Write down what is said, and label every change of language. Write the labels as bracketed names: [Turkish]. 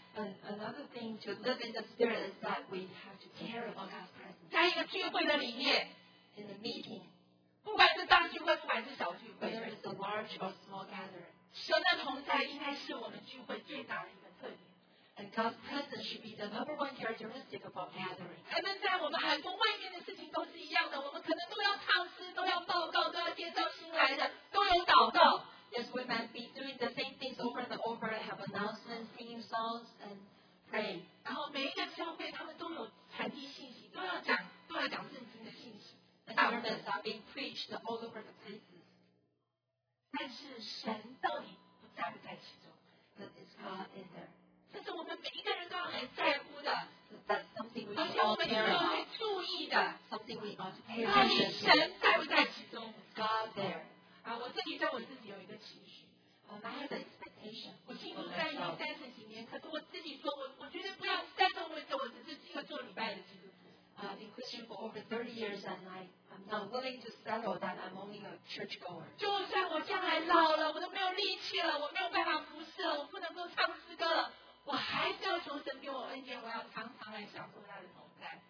[English] And another thing to live in the spirit is that we have to care about God's presence. [Chinese] 在一个聚会的里面 [English] ，in the meeting， [Chinese] 不管是大聚会，不管是小聚会 [English] ，whether it's a large or small gathering， [Chinese] 神的同在应该是我们聚会最大的一个特点。 [English] And God's presence should be the number one characteristic of our gathering. [Chinese] 可能在我们很多外面的事情都是一样的，我们可能都要唱诗，都要报告，都要介绍新来的，都有祷告。 [English] Yes, we might be doing the same things over and over, have announcements, singing songs, and pray. [Chinese] 然后每一个教会他们都有传递信息，都要讲，都要讲圣经的信息。 [English] The sermons are being preached all over the places. [Chinese] 但是神到底不在不在其中 [English] ？But is God in there? [Chinese] 这是我们每一个人都要很在乎的。 [English] That's something we ought to care about. [Chinese] 而且我们也要注意的。 [English] Something we ought to pay attention to. [Chinese] 到底神在不在其中 [English] ？Is God there? [Chinese] 我自己对我自己有一个期许。 [English] I have an expectation. [Chinese] 我信主在有三十几年，可是我自己说我觉得不要三十多岁，我只是一个做礼拜的基督徒。 [English] I've been Christian for over 30 years, and I'm not willing to settle that I'm only a churchgoer. [Chinese] 就算我将来老了，我都没有力气了，我没有办法服侍了，我不能够唱诗歌了，我还是要求神给我恩典，我要常常来享受他的同在。